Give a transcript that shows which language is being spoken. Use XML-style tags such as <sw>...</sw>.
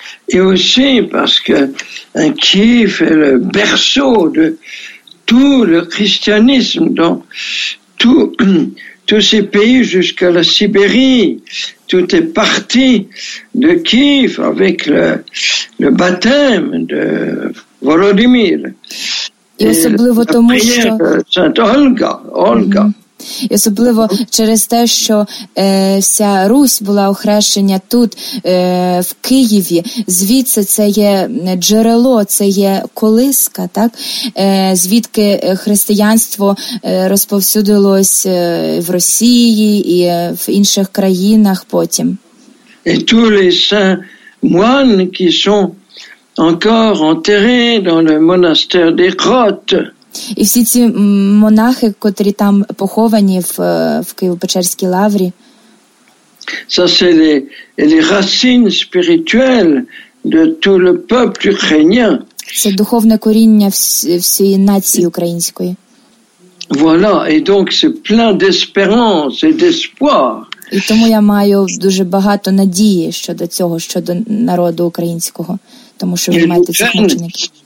<fr>Et aussi parce que Kiev est le berceau de tout le christianisme dans tous ces pays jusqu'à la Sibérie. Tout est parti de Kiev avec le baptême de Volodymyr. Et la prière de Sainte Olga. Olga. Mm-hmm.</fr> <uk>І особливо через те, що вся Русь була охрещення тут, в Києві, звідси це є джерело, це є колиска, так? Звідки християнство розповсюдилось в Росії і в інших країнах потім. І</uk> <fr>tous les saints moines qui sont encore enterrés dans le monastère des Grottes.</fr> <uk>І всі ці монахи, котрі там поховані в Києво-Печерській лаврі.</uk> <fr>Ça c'est les racines spirituelles de tout le peuple ukrainien.</fr> <uk>Це духовне коріння всієї нації української.</uk> <fr>Voilà, et donc c'est plein d'espérance et d'espoir.</fr> <uk>І тому я маю дуже багато надії щодо цього, щодо народу українського, тому що ви маєте цих мучеників.</uk>